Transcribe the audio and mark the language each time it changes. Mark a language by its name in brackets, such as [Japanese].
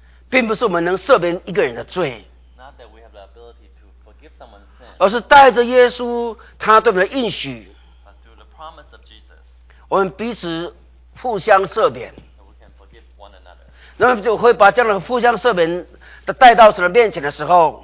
[Chinese] 并不是我们能赦免一个人的罪， [English] Not that we have the ability to forgive someone's sin, [Chinese] 而是带着耶稣他对我们的应许， [English] but through the promise of Jesus, [Chinese] 我们彼此互相赦免， [English] we can forgive one another. [Chinese] 那么就会把这样的互相赦免的带到神的面前的时候，